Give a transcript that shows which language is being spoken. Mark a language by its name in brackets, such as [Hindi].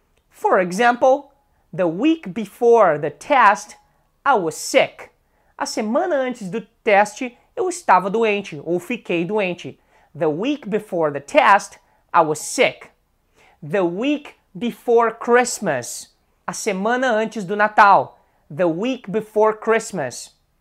[English] For example, the week before the test, I was sick. [Portuguese] A semana antes do teste, eu estava doente ou fiquei doente. [English] The week before the test, I was sick. The week before Christmas. [Portuguese] A semana antes do Natal. [English] The week before Christmas.